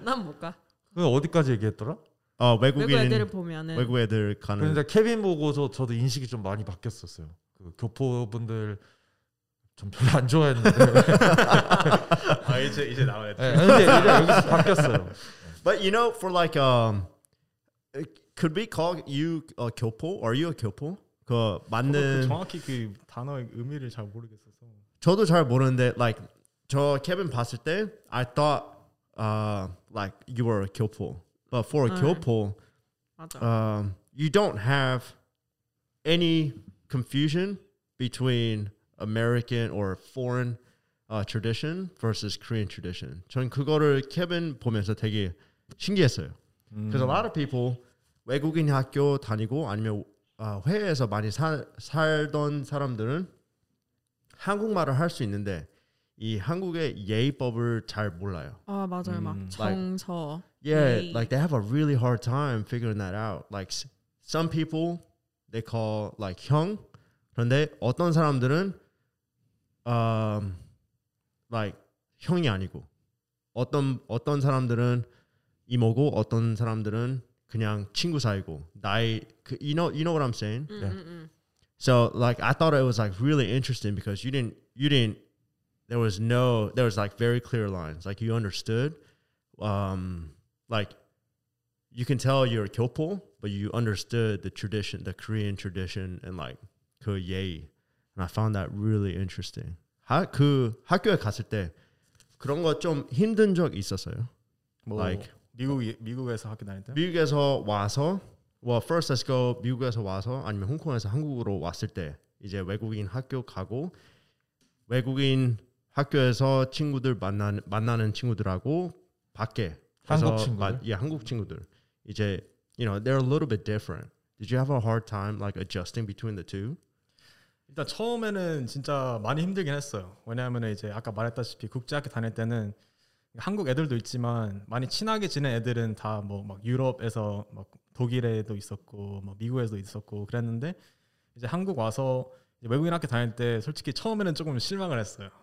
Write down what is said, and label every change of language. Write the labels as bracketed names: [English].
[Korean] 난 못 가. 그럼 어디까지 얘기했더라? 외국인 애들을 보면은 외국 애들 가는. 근데 케빈 보고서 저도 인식이 좀 많이 바뀌었었어요. 그 교포분들 좀 별로 안 좋아했는데. 아 이제 나와야 돼. 네, 이제 여기서 바뀌었어요. [English] But you know, for like could we call you a 교포? Are you a 교포? [Korean] 그 맞는 그 정확히 그 단어의 의미를 잘 모르겠어서 저도 잘 모르는데 like 저 케빈 봤을 때 [English] I thought like you were a [Korean] 교포. [English] But for a 교포 you don't have any confusion between American or foreign tradition versus Korean tradition. [Korean] 전 그거를 케빈 보면서 되게 신기했어요. [English] Because a lot of people [Korean] 외국인 학교 다니고 아니면 해외에서 많이 살던 사람들은 한국말을 할 수 있는데 이 한국의 예의법을 잘 몰라요. 아 맞아요. 막 정서. [English] Like, yeah, 예의. Like they have a really hard time figuring that out. Like some people they call like 형. [Korean] 그런데 어떤 사람들은 like 형이 아니고 어떤 사람들은 이모고 어떤 사람들은 그냥 친구 사이고 나이 그, [English] you know what I'm saying? Mm, yeah. Mm, mm. So like I thought it was like really interesting because you didn't there was like very clear lines like you understood like you can tell you're a 교포 but you understood the tradition the Korean tradition and like [Korean] 그 예의 [English] and I found that really interesting. [Korean] 그 학교에 갔을 때 그런 거 좀 힘든 적 있었어요. 뭐. Like 미국에서 학교 다닐 때? 미국에서 와서 [English] well first let's go [Korean] 미국에서 와서 아니면 홍콩에서 한국으로 왔을 때 이제 외국인 학교 가고 외국인 학교에서 친구들 만나는 친구들하고 밖에 한국 친구들 예 한국 친구들 이제 [English] you know they're a little bit different. Did you have a hard time like adjusting between the two? [Korean] 일단 처음에는 진짜 많이 힘들긴 했어요. 왜냐하면 이제 아까 말했다시피 국제학교 다닐 때는 한국 애들도 있지만 많이 친하게 지낸 애들은 다 뭐 막 유럽에서 막 독일에도 있었고 막 미국에도 있었고 그랬는데 이제 한국 와서 이제 외국인 학교 다닐 때 솔직히 처음에는 조금 실망을 했어요.